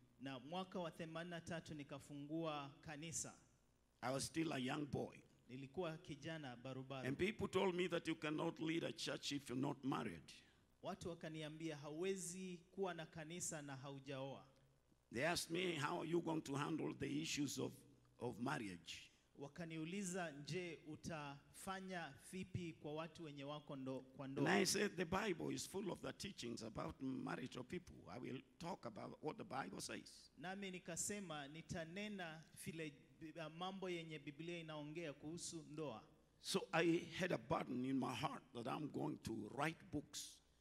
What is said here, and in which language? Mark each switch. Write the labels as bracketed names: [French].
[Swahili] Na mwaka wa 83 nikafungua kanisa. [English] I was still a young boy. [Swahili] Nilikuwa kijana barubaru. [English] And people told me that you cannot lead a church if you're not married. [Swahili] Watu wakaniambia hauwezi kuwa na kanisa na haujaoa. [English] They asked me, how are you going to handle the issues of marriage? [Swahili] Wakaniuliza nje utafanya vipi kwa watu wenye wako kwa ndoa. [English] And I said, the Bible is full of the teachings about marriage of people. I will talk about what the Bible says. [Swahili] Nami nikasema, nitanena file mambo yenye Biblia inaongea kuhusu ndoa. [English] So I had a burden in my heart that I'm going to write books.